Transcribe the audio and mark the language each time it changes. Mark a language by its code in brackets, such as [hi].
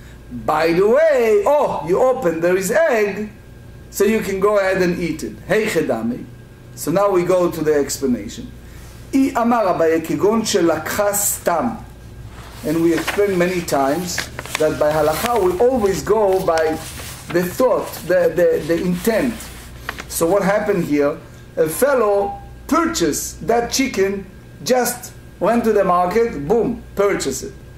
[en] By the way, oh, you open, there is egg, so you can go ahead and eat it. Hey, chedami. So now we go to the explanation. [he] היא אמר רבי כגון שלקחה סתם. [en] And we explain many times that by halakha we always go by the thought, the intent. So what happened here? A fellow purchased that chicken, just went to the market, boom, purchased it.